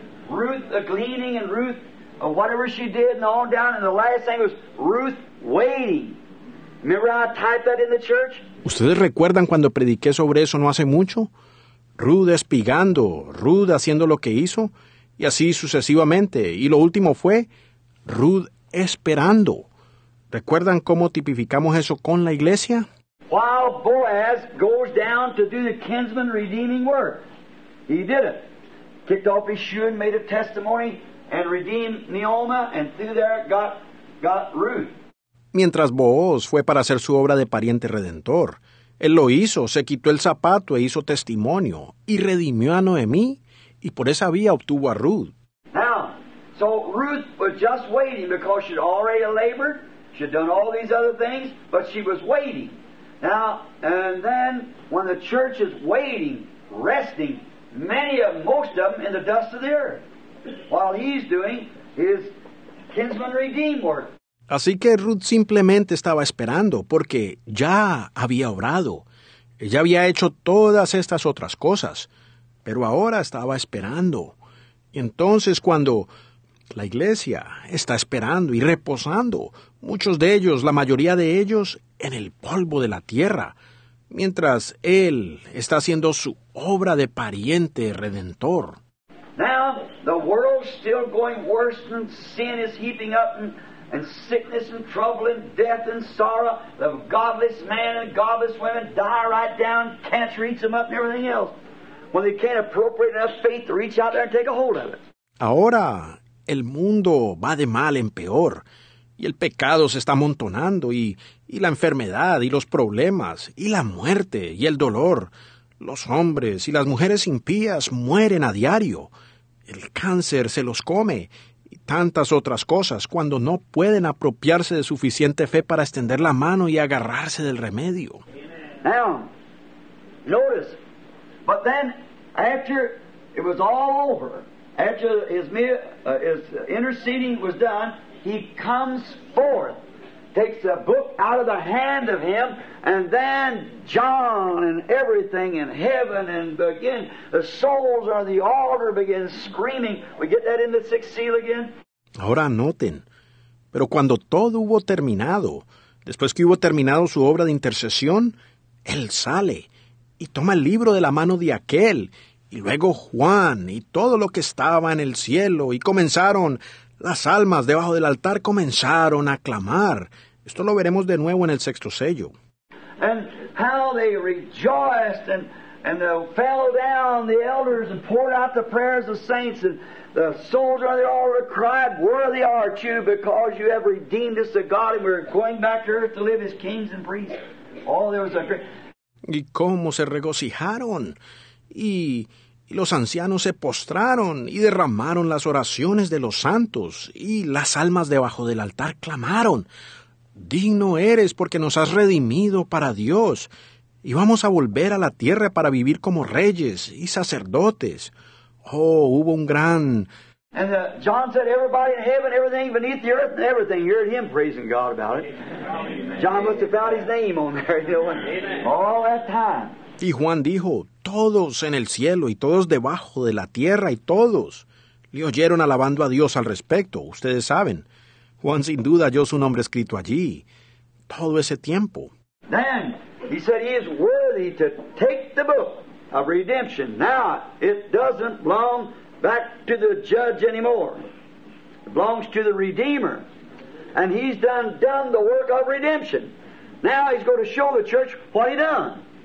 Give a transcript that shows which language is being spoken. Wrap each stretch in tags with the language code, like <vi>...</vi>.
<en>Ruth, the gleaning, and Ruth, whatever she did, and all down, and the last thing was Ruth waiting. Remember how I typed that in the church?</en> <es>¿Ustedes recuerdan cuando prediqué sobre eso no hace mucho? Ruth espigando, Ruth haciendo lo que hizo, y así sucesivamente, y lo último fue Ruth esperando. ¿Recuerdan cómo tipificamos eso con la iglesia?</es> <en>While Boaz goes down to do the kinsman redeeming work, he did it. Kicked off his shoe and made a testimony and redeemed Naomi and through there got Ruth.</en> <es>Mientras Boaz fue para hacer su obra de pariente redentor, él lo hizo, se quitó el zapato e hizo testimonio y redimió a Noemí y por esa vía obtuvo a Ruth.</es> <en>So Ruth was just waiting because she'd already labored, she'd done all these other things, but she was waiting. Now, and then when the church is waiting, resting, many of them, most of them in the dust of the earth, while he's doing his kinsman redeem work.</en> <es>Así que Ruth simplemente estaba esperando porque ya había obrado. Ella había hecho todas estas otras cosas, pero ahora estaba esperando. Y entonces cuando la iglesia está esperando y reposando, muchos de ellos, la mayoría de ellos, en el polvo de la tierra, mientras Él está haciendo su obra de pariente redentor.</es> <en>Now, the world's still going worse and sin is heaping up and sickness and trouble and death and sorrow. The godless man and godless women die right down, cancer eats them up and everything else. When they can't appropriate enough faith to reach out there and take a hold of it.</en> <es>Ahora, el mundo va de mal en peor, y el pecado se está amontonando, y la enfermedad, y los problemas, y la muerte, y el dolor. Los hombres y las mujeres impías mueren a diario. El cáncer se los come, y tantas otras cosas, cuando no pueden apropiarse de suficiente fe para extender la mano y agarrarse del remedio.</es> <en>Now, notice, but then, after it was all over, after his interceding was done, he comes forth, takes the book out of the hand of him, and then John and everything in heaven and begin, the souls on the altar begin screaming. We get that in the sixth seal again?</en> <es>Ahora noten, Pero cuando todo hubo terminado, después que hubo terminado su obra de intercesión, él sale y toma el libro de la mano de aquel, y luego Juan y todo lo que estaba en el cielo, y comenzaron, las almas debajo del altar comenzaron a clamar. Esto lo veremos de nuevo en el sexto sello.</es> <en>And how they rejoiced and they fell down, the elders, and poured out the prayers of saints, and the soldiers of the order cried, worthy art you, because you have redeemed us to God, and we're going back to earth to live as kings and priests. Oh, there was a great...</en> <es>Y cómo se regocijaron, y los ancianos se postraron, y derramaron las oraciones de los santos, y las almas debajo del altar clamaron, digno eres porque nos has redimido para Dios, y vamos a volver a la tierra para vivir como reyes y sacerdotes. Oh, hubo un gran...</es> <en>And John said, everybody in heaven, everything beneath the earth, and everything, you heard him praising God about it. Amen. John must have found his name on there, you know, all that time.</en> <es>Y Juan dijo, todos en el cielo, y todos debajo de la tierra, y todos le oyeron alabando a Dios al respecto. Ustedes saben, Juan sin duda halló su nombre escrito allí, todo ese tiempo.</es> <en>Then, he said he is worthy to take the book of redemption. Now, it doesn't belong back to the judge anymore. It belongs to the Redeemer. And he's done the work of redemption. Now he's going to show the church what he done.</en>